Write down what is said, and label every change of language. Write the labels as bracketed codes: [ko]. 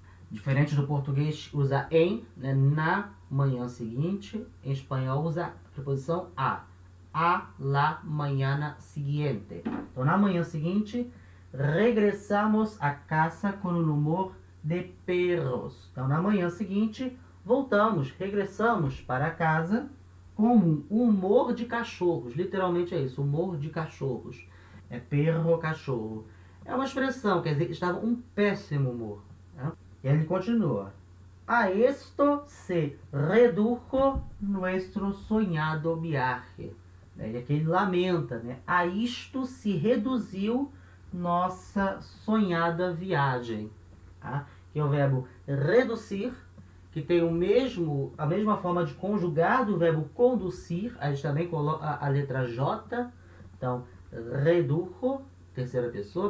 [pt] diferente do português, usa em, né, na manhã seguinte, em espanhol usa a preposição [es] a la mañana siguiente, [pt] então na manhã seguinte, regressamos a casa com o humor de perros. Então, na manhã seguinte, regressamos para casa com o humor de cachorros. Literalmente é isso, humor de cachorros. É perro ou cachorro. É uma expressão, quer dizer, estava um péssimo humor. Ele continua. [es] A esto se redujo nuestro soñado viaje. [pt] É que ele lamenta, né? A isto se reduziu nossa sonhada viagem. Tá? Que é o verbo reducir, que tem o mesmo, a mesma forma de conjugar do verbo conducir. A gente também coloca a letra J. Então, redujo, terceira pessoa.